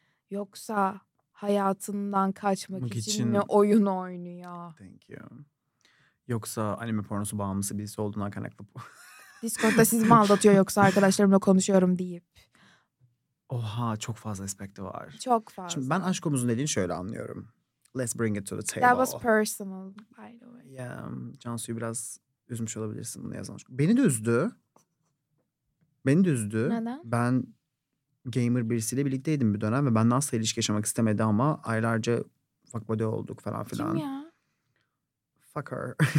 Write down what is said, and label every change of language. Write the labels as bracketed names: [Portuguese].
[Turkish] Yoksa hayatından kaçmak için mi oyun oynuyor? [English] Thank you. [Turkish] Yoksa anime pornosu bağımlısı birisi olduğundan kaynaklı bu. Discord'da sizi mi aldatıyor yoksa arkadaşlarımla konuşuyorum deyip. Oha çok fazla aspekti var. Çok fazla. Şimdi ben aşkımızın dediğini şöyle anlıyorum. [English] Let's bring it to the table. That was personal by the way. [Turkish] Yeah, Cansu'yu biraz üzmüş olabilirsin bunu yazan aşkım. Beni de üzdü. Neden? Ben gamer birisiyle birlikteydim bir dönem ve ben nasıl ilişki yaşamak istemedi ama aylarca [English] fuck buddy [Turkish] olduk falan filan. Kim ya? [English] Fuck her.